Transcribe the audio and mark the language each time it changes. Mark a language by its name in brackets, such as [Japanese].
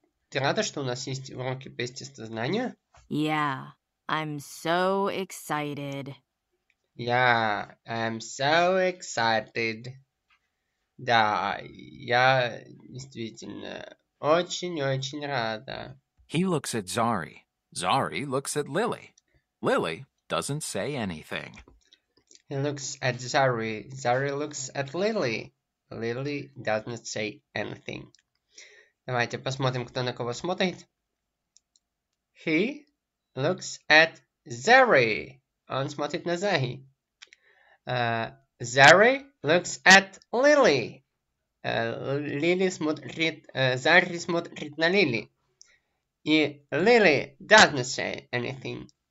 [Russian] Ты рада, что у нас есть уроки по естествознанию? [English] Yeah, I'm so excited. Yeah, I'm so excited. [Russian] Да, я действительно очень-очень рада. [English] He looks at Zari. Zari looks at Lily. Lily doesn't say anything. He looks at Zari. Zari looks at Lily. Lily doesn't say anything. [Russian] Давайте посмотрим, кто на кого смотрит. [English] He looks at Zari. [Russian] Он смотрит на Зари. [English] Zari looks at Lily. [Russian] Lily смотрит, Зари смотрит на Лили. [English] И Lily doesn't say anything.